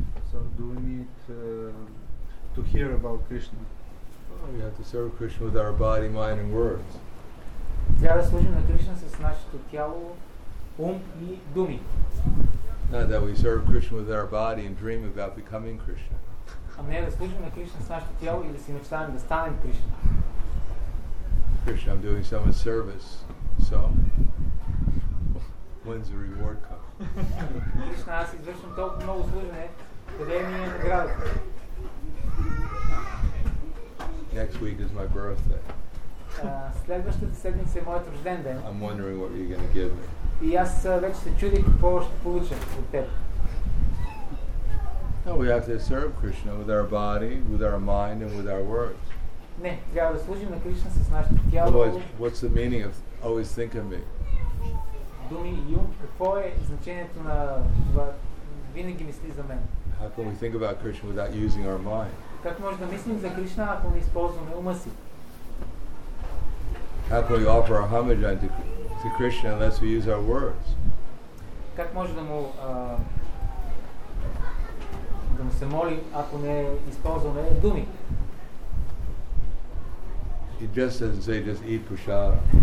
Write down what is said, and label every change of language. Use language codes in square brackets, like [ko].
[en] So do we need to hear about Krishna? Well, we have to serve Krishna with our body, mind, and words. [bg] Трябва да служим на Кришна с нашето тяло, ум и думи. [en] Not that we serve Krishna with our body and dream about becoming Krishna. [bg] А не да служим на Кришна с нашето тяло и да си мечтаем да станем Кришна. [en] Krishna, I'm doing some service, so when's the reward come? [bg] Кришна, аз извършвам толкова много служене, къде ми е наградата? [en] Next week is my birthday. [bg] Следващата седмица е моят рожден ден. [en] I'm wondering what you're going to give me. [bg] И аз вече се чудя какво ще получа от теб. [en] No, we have to serve Krishna with our body, with our mind, and with our words. [bg] Не, трябва да служим на Кришна с нашето тяло. [en] Otherwise, what's the meaning of always think of me? [bg] Думи и ум, какво е значението на това? Винаги мисли за мен. [en] How can we think about Krishna without using our mind? [bg] Как може да мислим за Кришна, ако не използваме ума си? [en] How can we offer our homage to Krishna unless we use our words? [bg] Как може да му да му се молим, ако не използваме думи? [en] It just doesn't say just eat prasada.